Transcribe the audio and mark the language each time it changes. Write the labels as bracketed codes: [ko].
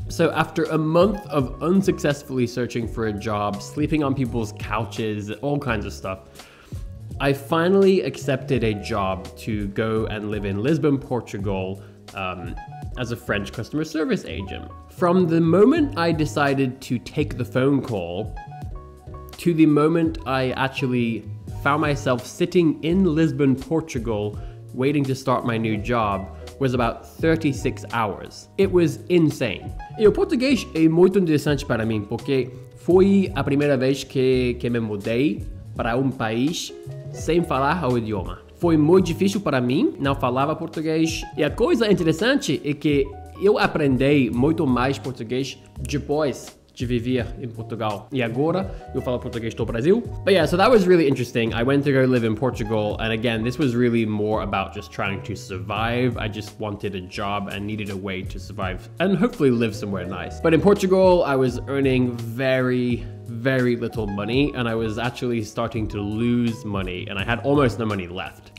[en] So after a month of unsuccessfully searching for a job, sleeping on people's couches, all kinds of stuff, I finally accepted a job to go and live in Lisbon, Portugal, as a French customer service agent. From the moment I decided to take the phone call to the moment I actually found myself sitting in Lisbon, Portugal, waiting to start my new job, was about 36 hours. It was insane. [pt] E o português é muito interessante para mim, porque foi a primeira vez que me mudei para país sem falar o idioma. Foi muito difícil para mim, não falava português. E a coisa interessante é que eu aprendi muito mais português depois de viver em Portugal. E agora eu falo português do Brasil. [en] But yeah, so that was really interesting. I went to go live in Portugal. And again, this was really more about just trying to survive. I just wanted a job and needed a way to survive and hopefully live somewhere nice. But in Portugal, I was earning very, very little money, and I was actually starting to lose money, and I had almost no money left.